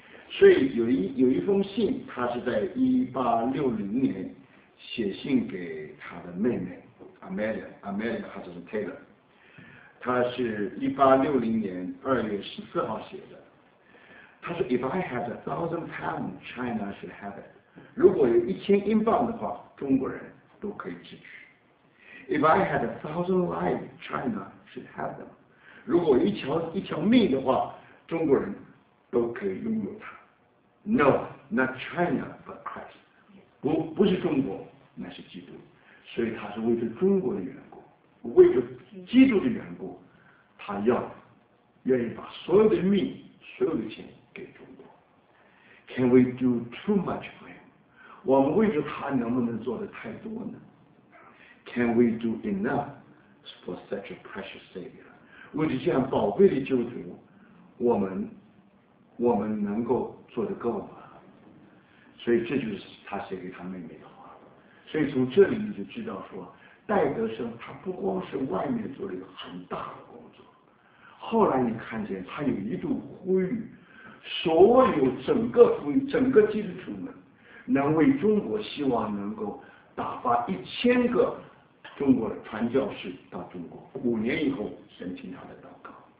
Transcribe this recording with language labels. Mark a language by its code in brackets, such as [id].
[zh] 所以有一封信，他是在1860年写信给他的妹妹 Amelia Hudson Taylor。他是1860年2月14号写的。他说 [en] ：“If I had £1,000, China should have it。 [zh] 如果有1000英镑的话，中国人都可以支取。 [en] If I had £1,000 lives, China should have them。 [zh] 如果有一条命的话，中国人都可以拥有它。 [en] No, not China, but Christ。 [zh] 不是中国，那是基督。所以他是为着中国的缘故，为着基督的缘故，他愿意把所有的命、所有的钱给中国。 [en] Can we do too much for him? [zh] 我们为着他能不能做的太多呢？ [en] Can we do enough for such a precious Savior? [zh] 为了这样宝贵的救主，我们能够做得够吗？所以这就是他写给他妹妹的话。所以从这里你就知道说，戴德生他不光是外面做了一个很大的工作，后来你看见他有一度呼吁所有整个基督徒们能为中国，希望能够打发1000个中国的传教士到中国，5年以后申请他的祷告。